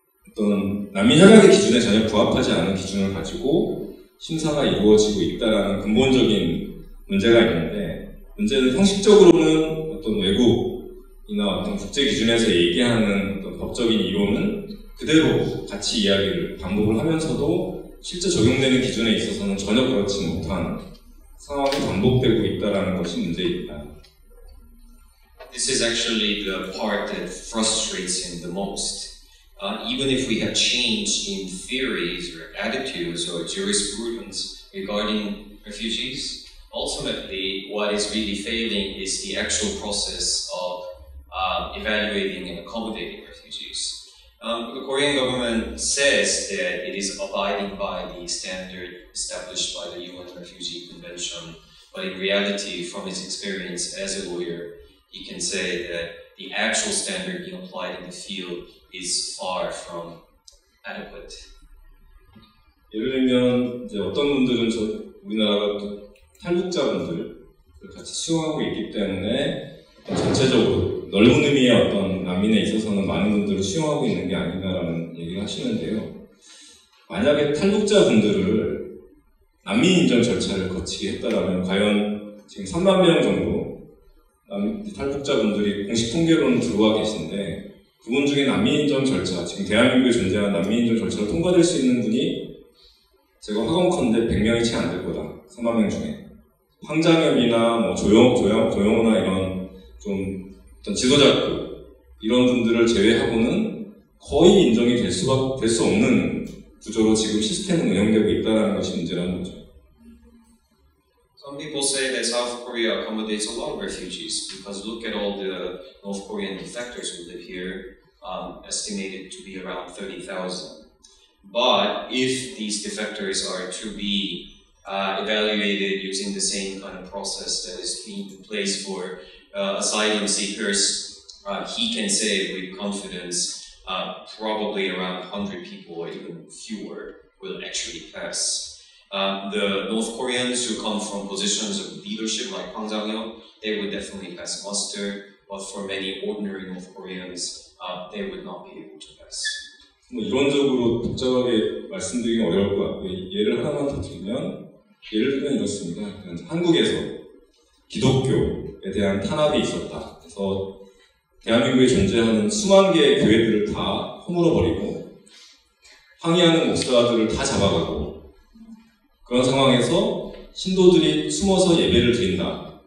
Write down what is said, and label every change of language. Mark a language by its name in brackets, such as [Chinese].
[Korean] 어떤 난민 현황의 기준에 전혀 부합하지 않은 기준을 가지고 심사가 이루어지고 있다라는 근본적인 문제가 있는데, 문제는 형식적으로는 어떤 외국이나 어떤 국제 기준에서 얘기하는 어떤 법적인 이론은 그대로 같이 이야기를 반복을 하면서도 실제 적용되는 기준에 있어서는 전혀 그렇지 못한 상황이 반복되고 있다라는 것이 문제입니다. [English] This is actually the part that frustrates him the most. Even if we have changed in theories or attitudes or jurisprudence regarding refugees, ultimately what is really failing is the actual process of evaluating and accommodating refugees. The Korean government says that it is abiding by the standard established by the UN Refugee Convention, but in reality, from his experience as a lawyer, he can say that the actual standard being applied in the field is far from adequate. [Korean] 예를 들면 이제 어떤 분들은 저 우리나라가 탈북자분들을 같이 수용하고 있기 때문에 전체적으로 넓은 의미의 어떤 난민에 있어서는 많은 분들을 수용하고 있는 게 아닌가라는 얘기를 하시는데요. 만약에 탈북자분들을 난민 인정 절차를 거치게 했다라면 과연 지금 3만 명 정도 탈북자분들이 공식 통계로는 들어와 계신데 그분 중에 난민인정 절차, 지금 대한민국에 존재한 난민인정 절차를 통과될 수 있는 분이 제가 확언컨대 100명이 채 안 될 거다, 3만 명 중에. 황장엽이나 뭐 조영호나 이런 좀 어떤 지도자급 이런 분들을 제외하고는 거의 인정이 될 수밖에 될 수 없는 구조로 지금 시스템은 운영되고 있다는 것이 문제라는 거죠. [English] Some people say that South Korea accommodates a lot of refugees because look at all the North Korean defectors who live here, estimated to be around 30,000. But if these defectors are to be evaluated using the same kind of process that is being in place for asylum seekers, he can say with confidence probably around 100 people or even fewer will actually pass. The North Koreans who come from positions of leadership like Hwang Jang-yeol, they would definitely pass muster, but for many ordinary North Koreans, they would not be able to pass. [Korean] 뭐 이론적으로 복잡하게 말씀드리긴 어려울 것 같고요. 예를 하나만 더 들면, 예를 들면 이렇습니다. 한국에서 기독교에 대한 탄압이 있었다. 그래서 대한민국에 존재하는 수만 개의 교회들을 다 허물어버리고 항의하는 목사들을 다 잡아가고 그런 상황에서 신도들이 숨어서 예배를 드린다.